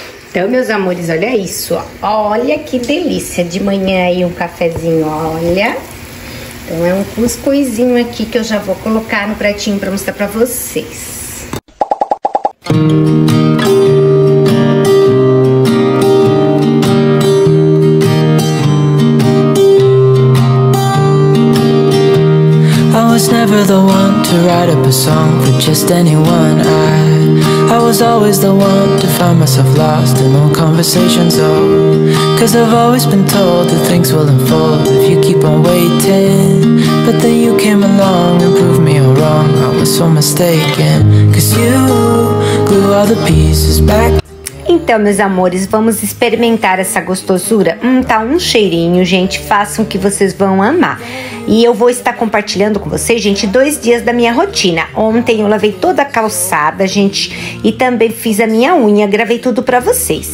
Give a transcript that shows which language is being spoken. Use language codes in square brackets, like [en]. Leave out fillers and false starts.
[pt] Então, meus amores, olha isso, ó. Olha que delícia de manhã aí um cafezinho, olha. Então, é um cuscuzinho aqui que eu já vou colocar no pratinho pra mostrar pra vocês. [en] I was never the one to write up a song for just anyone. I was always the one to find myself lost in all conversations, oh. Cause I've always been told that things will unfold if you keep on waiting. But then you came along and proved me all wrong. I was so mistaken. Cause you glue all the pieces back. [pt] Então, meus amores, vamos experimentar essa gostosura. Tá um cheirinho, gente. Façam que vocês vão amar. E eu vou estar compartilhando com vocês, gente, 2 dias da minha rotina. Ontem eu lavei toda a calçada, gente, e também fiz a minha unha, gravei tudo pra vocês.